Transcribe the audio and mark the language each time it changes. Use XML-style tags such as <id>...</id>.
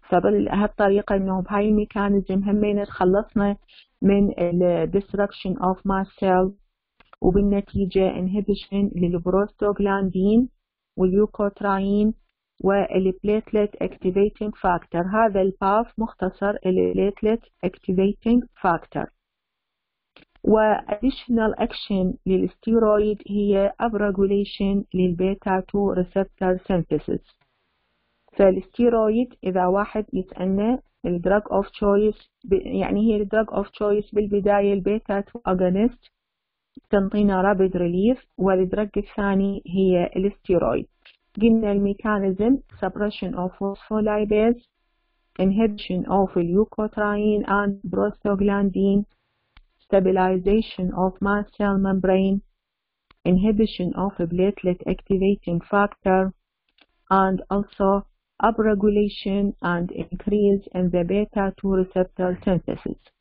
<ar>فبالها الطريقة إنه بهاي الميكانيزم همين تخلصنا من</ar> <en>destruction of muscle</en> <ar>وبالنتيجة inhibition للبروستوغلاندين والليوكوتراين والبليتلت activating factor. هذا الباف مختصر البليتلت activating factor. و additional action للستيرويد هي upregulation للبيتا 2 receptor synthesis. فالستيرويد إذا واحد يسألنا الدراج of choice يعني هي الدراج of choice بالبداية البيتا 2 agonist تنطينا</ar> <en>rapid relief،</en> <ar>والدراج الثاني هي الستيرويد. قلنا الميكانيزم</ar> <en>suppression of phospholipase inhibition of leukotriene and prostaglandin stabilization of mast cell membrane, inhibition of platelet activating factor, and also upregulation and increase in the beta 2 receptor synthesis.</en>